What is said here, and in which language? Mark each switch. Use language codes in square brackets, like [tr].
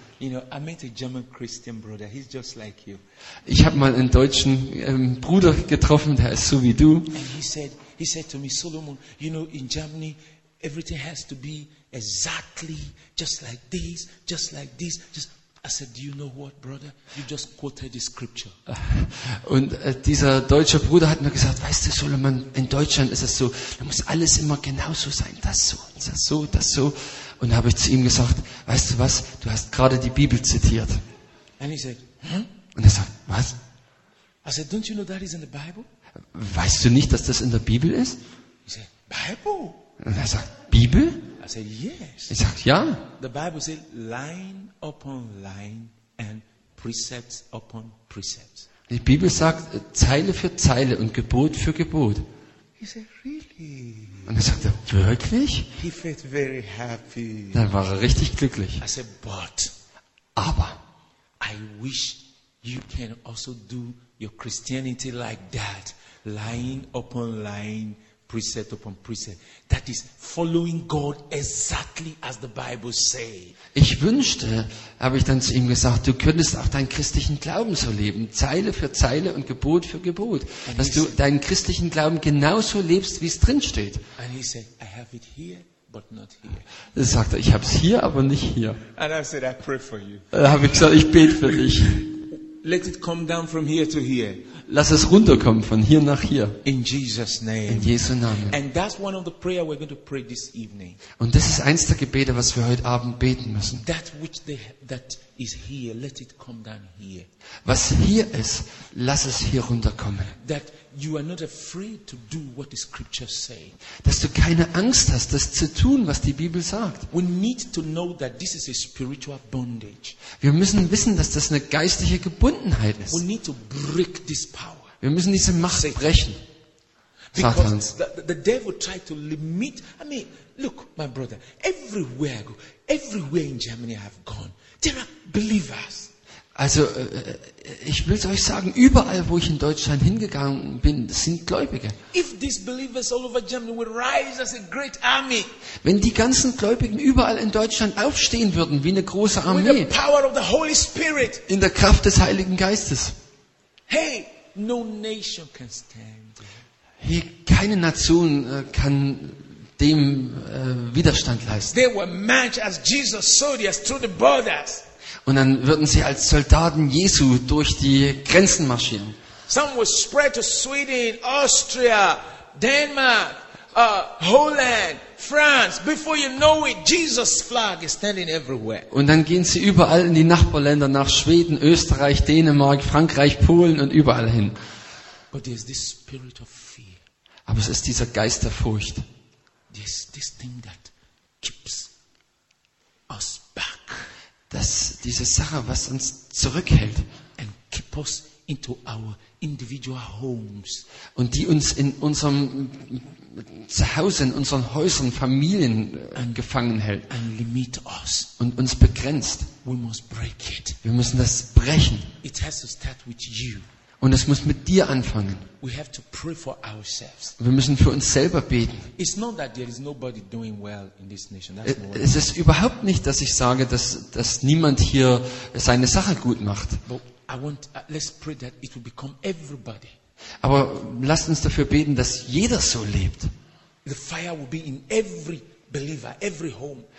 [en] You know, I met a German Christian brother. He's just like you. [de] Ich habe mal einen deutschen Bruder getroffen, der ist so wie du. [en] And he said to me, Solomon, you know, in Germany, everything has to be exactly just like this, just like this. Just, I said, do you know what, brother? You just quoted the scripture. [de] Und dieser deutsche Bruder hat mir gesagt, weißt du, Solomon, in Deutschland ist es so, da muss alles immer genau so sein, das so. Und habe ich zu ihm gesagt, weißt du was, du hast gerade die Bibel zitiert. [en] And he said, [de] Und er sagt, was? [en] I said, don't you know that is in the Bible? [de] Weißt du nicht, dass das in der Bibel ist? [en] He said, Bible? [de] Und er sagt, Bibel? [en] I said, yes. [de] Ich sage, ja. [en] The Bible said, line upon line and precepts upon precepts. [de] Die Bibel sagt, Zeile für Zeile und Gebot für Gebot. [en] He said, really? [de] Und er sagte, wirklich? [en] He felt very happy. [de] Dann war er richtig glücklich. [en] I said, but [de] aber [en] I wish you can also do your Christianity like that, line upon line, precept upon precept. That is following God exactly as the Bible says. [de] Ich wünschte, habe ich dann zu ihm gesagt, du könntest auch deinen christlichen Glauben so leben, Zeile für Zeile und Gebot für Gebot, and dass du deinen christlichen Glauben genauso lebst, wie es drin steht. [en] And he said, I have it here, but not here. [de] Er sagte, ich habe es hier, aber nicht hier. [en] And I said, I pray for you. [de] Da habe ich gesagt, ich bete für dich. [en] Let it come down from here to here. [de] Lass es runterkommen von hier nach hier. [en] In Jesus name. [de] In Jesu Namen. [en] And that's one of the prayer we're going to pray this evening. [de] Und das ist eins der Gebete, was wir heute Abend beten müssen. [en] That which they, that is here, let it come down here. [de] Was hier ist, lass es hier runterkommen. [en] That you are not afraid to do what the scriptures say. [de] Dass du keine Angst hast, das zu tun, was die Bibel sagt. [en] We need to know that this is a spiritual bondage. [de] Wir müssen wissen, dass das eine geistliche Gebundenheit ist. [en] We need to break this power. [de] Wir müssen diese Macht brechen. [en] Because the devil tried to limit. I mean, look, my brother, everywhere I go, everywhere in Germany I have gone, there are believers. [de] Also, ich will es euch sagen, überall, wo ich in Deutschland hingegangen bin, sind Gläubige. [en] If these believers all over Germany would rise as a great army, [de] wenn die ganzen Gläubigen überall in Deutschland aufstehen würden, wie eine große Armee, [en] with the power of the Holy Spirit, [de] in der Kraft des Heiligen Geistes, [en] hey, no nation can stand. [de] Hey, keine Nation kann dem Widerstand leisten. [en] They were matched as Jesus soldiers through the borders. [de] Und dann würden sie als Soldaten Jesu durch die Grenzen marschieren. [en] Some would spread to Sweden, Austria, Denmark, Holland, France. Before you know it, Jesus' flag is standing everywhere. [de] Und dann gehen sie überall in die Nachbarländer, nach Schweden, Österreich, Dänemark, Frankreich, Polen und überall hin. [en] But there's this spirit of fear. [de] Aber es ist dieser Geist der Furcht. [en] There's this thing that keeps us back. [de] Dass diese Sache, was uns zurückhält, [en] and keep us into our individual homes, [de] und die uns in unserem Zuhause, in unseren Häusern, Familien [en] and, [de] gefangen hält, [en] and limit us, [de] und uns begrenzt, [en] we must break it. [de] Wir müssen das brechen. [en] It has to start with you. [de] Und es muss mit dir anfangen. [en] We have to pray for ourselves. [de] Wir müssen für uns selber beten. [en] It's not that there is nobody doing well in this nation. That's not [de] es ist überhaupt nicht, dass ich sage, dass niemand hier seine Sache gut macht. [en] But I want, let's pray that it will become everybody. [de] Aber lasst uns dafür beten, dass jeder so lebt. [en] The fire will be in every believer, every home.